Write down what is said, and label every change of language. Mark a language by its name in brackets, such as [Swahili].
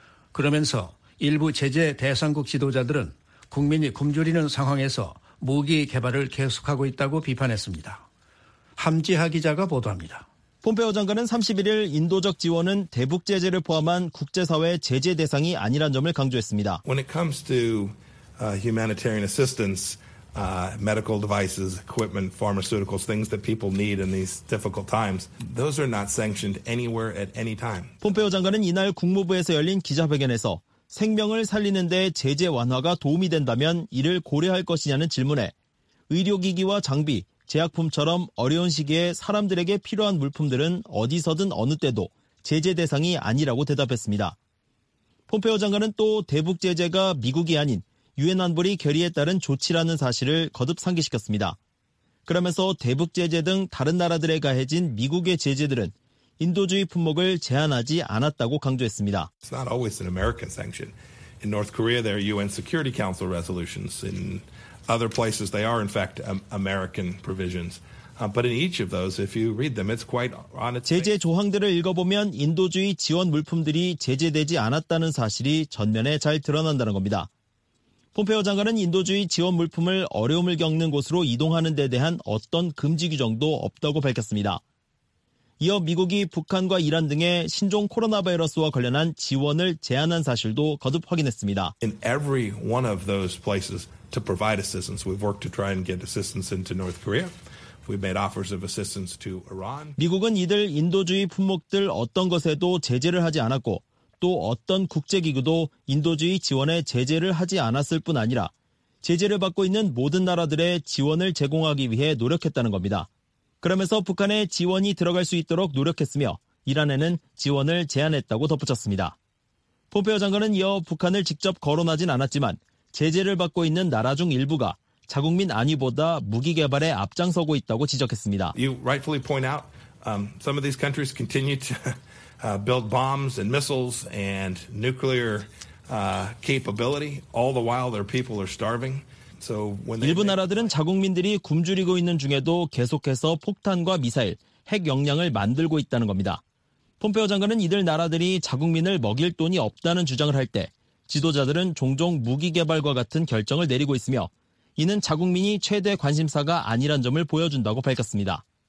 [Korean] 그러면서 일부 제재 대상국 지도자들은 국민이 굶주리는 상황에서 무기 개발을 계속하고 있다고 비판했습니다. 함지하 기자가 보도합니다. 폼페오 장관은 31일 인도적 지원은 대북 제재를 포함한 국제사회 제재 대상이 아니란 점을 강조했습니다. [English] When it comes to humanitarian assistance, medical devices, equipment, pharmaceuticals, things that people need in these difficult times, those are not sanctioned anywhere at any time. [Korean] 폼페오 장관은 이날 국무부에서 열린 기자회견에서 생명을 살리는 데 제재 완화가 도움이 된다면 이를 고려할 것이냐는 질문에 의료기기와 장비, 제약품처럼 어려운 시기에 사람들에게 필요한 물품들은 어디서든 어느 때도 제재 대상이 아니라고 대답했습니다. 폼페오 장관은 또 대북 제재가 미국이 아닌 유엔 안보리 결의에 따른 조치라는 사실을 거듭 상기시켰습니다. 그러면서 대북 제재 등 다른 나라들에 가해진 미국의 제재들은 인도주의 품목을 제한하지 않았다고 강조했습니다. [English] It's not always an American sanction. In North Korea, there are UN Security Council resolutions in other places they are in fact American provisions. But in each of those, if you read them, it's quite on its [Korean] 제재 조항들을 읽어보면 인도주의 지원 물품들이 제재되지 않았다는 사실이 전면에 잘 드러난다는 겁니다. 폼페오 장관은 인도주의 지원 물품을 어려움을 겪는 곳으로 이동하는 데 대한 어떤 금지 규정도 없다고 밝혔습니다. 이어 미국이 북한과 이란 등의 신종 코로나 바이러스와 관련한 지원을 제한한 사실도 거듭 확인했습니다. [English] In every one of those places to provide assistance, we've worked to try and get assistance into North Korea. We've made offers of assistance to Iran. [Korean] 미국은 이들 인도주의 품목들 어떤 것에도 제재를 하지 않았고 또 어떤 국제기구도 인도주의 지원에 제재를 하지 않았을 뿐 아니라 제재를 받고 있는 모든 나라들의 지원을 제공하기 위해 노력했다는 겁니다. 그러면서 북한에 지원이 들어갈 수 있도록 노력했으며 이란에는 지원을 제한했다고 덧붙였습니다. 폼페이오 장관은 이어 북한을 직접 거론하진 않았지만 제재를 받고 있는 나라 중 일부가 자국민 안위보다 무기 개발에 앞장서고 있다고 지적했습니다. [English] You rightfully point out some of these countries continue to build bombs and missiles and nuclear capability all the while their people are starving. [Korean] 일부 나라들은 자국민들이 굶주리고 있는 중에도 계속해서 폭탄과 미사일, 핵 역량을 만들고 있다는 겁니다. 폼페이오 장관은 이들 나라들이 자국민을 먹일 돈이 없다는 주장을 할 때 지도자들은 종종 무기 개발과 같은 결정을 내리고 있으며 이는 자국민이 최대 관심사가 아니란 점을 보여준다고 밝혔습니다.